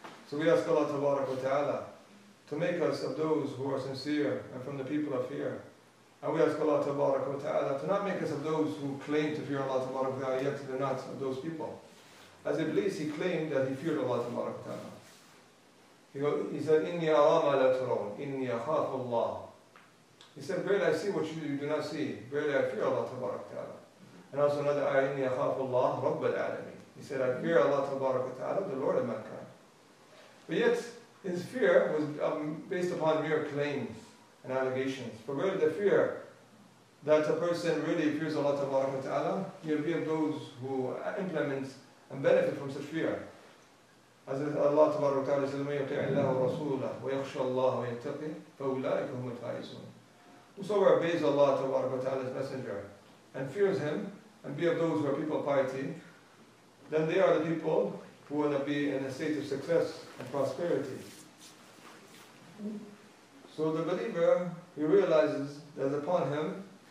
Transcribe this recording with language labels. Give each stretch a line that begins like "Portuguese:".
English: So we ask Allah Tabaraka Ta'ala to make us of those who are sincere and from the people of fear. And we ask Allah Tabaraka Ta'ala to not make us of those who claim to fear Allah Tabaraka Ta'ala, yet they're not of those people. As Iblis, he claimed that he feared Allah Tabaraka Ta'ala. He said,
Arabic: إِنِّي أَرَى مَا لَا تَرَوْنَ إِنِّي أَخَافُ اللَّهِ.
English: He said, verily I see what you do not see. Verily I fear Allah Tabaraka Ta'ala. And also another ayah,
Arabic: إِنِّي أَخَافُ اللَّهِ رَبَّ الْعَالَمِينَ.
English: He said, I fear Allah Tabaraka Ta'ala, the Lord of mankind. But yet, his fear was based upon mere claims and allegations. For really the fear that a person really fears Allah Tabaraka Ta'ala, he'll be of those who implement and benefit from such fear. As Allah Tabaraka Ta'ala says,
Arabic: مَنْ يَطِعِ اللَّهُ وَرَسُولَهُ وَيَخْشَى اللَّهُ وَيَتَّقِهِ فَأُولَٰئِكَ هُمُ الْفَائِزُونَ.
English: Whosoever obeys Allah Tabaraka Ta'ala's messenger and fears him and be of those who are people of piety, then they are the people who want to be in a state of success and prosperity. So the believer, he realizes that upon him